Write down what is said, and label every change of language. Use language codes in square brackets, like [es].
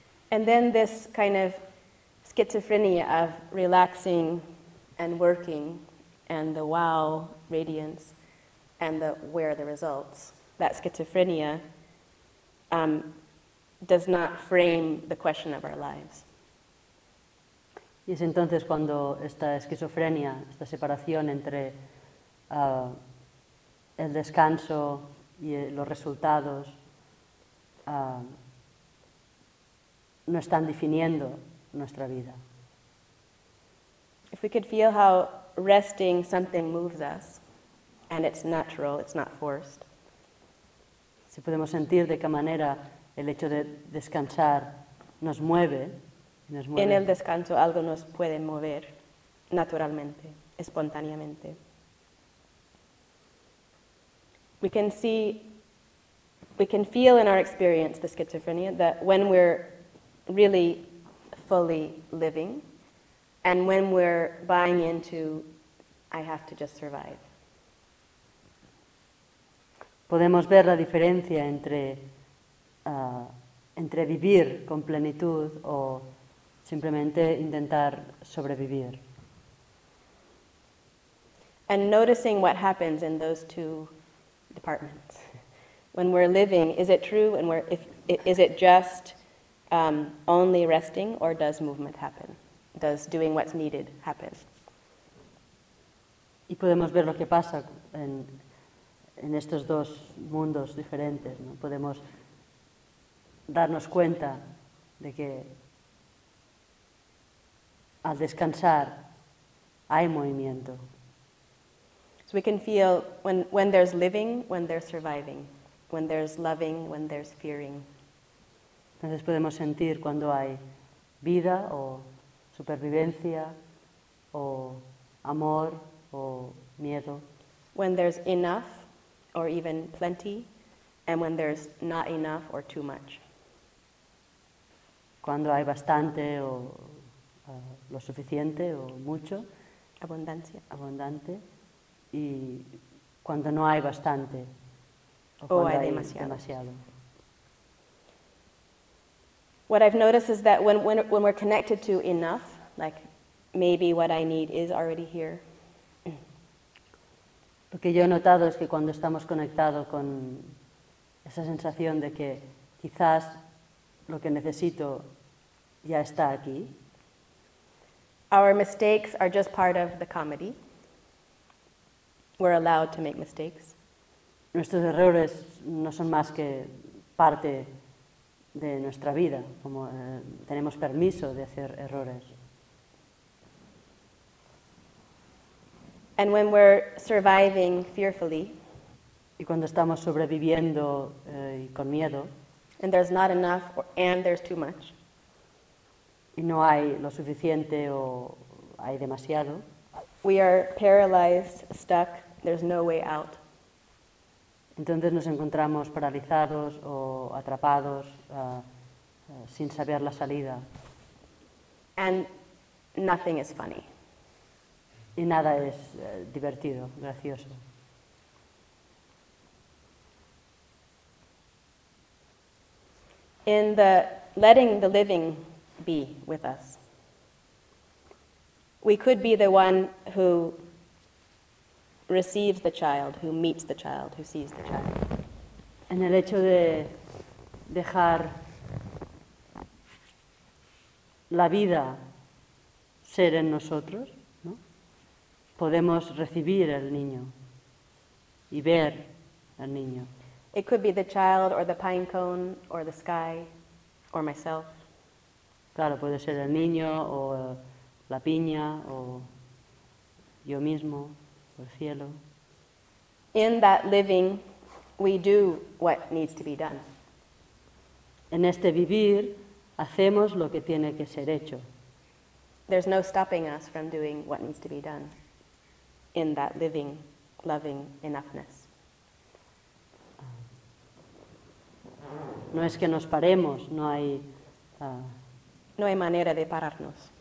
[en] And then this kind of schizophrenia of relaxing and working and the wow radiance and the where are the results, that schizophrenia does not frame the question of our lives. [es] Y es entonces cuando esta esquizofrenia, esta separación entre el descanso y los resultados no están definiendo nuestra vida. [en] If we could feel how resting something moves us, and it's natural, it's not forced. [es] Si podemos sentir de qué manera el hecho de descansar nos mueve, en el descanso algo nos puede mover naturalmente, espontáneamente. [en] We can feel in our experience the schizophrenia, that when we're really fully living and when we're buying into I have to just survive. [es] Podemos ver la diferencia entre vivir con plenitud o simplemente intentar sobrevivir. [en] And noticing what happens in those two departments. When we're living, is it true? And is it just only resting, or does movement happen? Does doing what's needed happen? [es] Y podemos ver lo que pasa en estos dos mundos diferentes, ¿no? Podemos darnos cuenta de que al descansar hay movimiento. [en] So we can feel when there's living, when there's surviving, when there's loving, when there's fearing. [es] Entonces podemos sentir cuando hay vida o supervivencia o amor o miedo. [en] When there's enough or even plenty, and when there's not enough or too much. [es] Cuando hay bastante o lo suficiente o mucho. Abundancia. Abundante. Y cuando no hay bastante. O hay demasiado. [en] What I've noticed is that when we're connected to enough, like maybe what I need is already here. [es] Lo que yo he notado es que cuando estamos conectados con esa sensación de que quizás lo que necesito ya está aquí. [en] Our mistakes are just part of the comedy. We're allowed to make mistakes. [es] Nuestros errores no son más que parte de nuestra vida, como tenemos permiso de hacer errores. [en] And when we're surviving fearfully, [es] y cuando estamos sobreviviendo y con miedo, [en] and there's not enough or, and there's too much, [es] y no hay lo suficiente o hay demasiado, [en] we are paralyzed, stuck, there's no way out. [es] Entonces nos encontramos paralizados o atrapados sin saber la salida. [en] And nothing is funny. [es] Y nada es divertido, gracioso. [en] In the letting the living be with us, we could be the one who receives the child, who meets the child, who sees the child. [es] En el hecho de dejar la vida ser en nosotros, ¿no? Podemos recibir el niño y ver al niño. [en] It could be the child or the pine cone or the sky or myself. [es] Claro, puede ser el niño o la piña o yo mismo. Cielo. [en] In that living, we do what needs to be done. [es] En este vivir, hacemos lo que tiene que ser hecho. [en] There's no stopping us from doing what needs to be done in that living, loving enoughness. [es] No es que nos paremos, no hay... No hay manera de pararnos.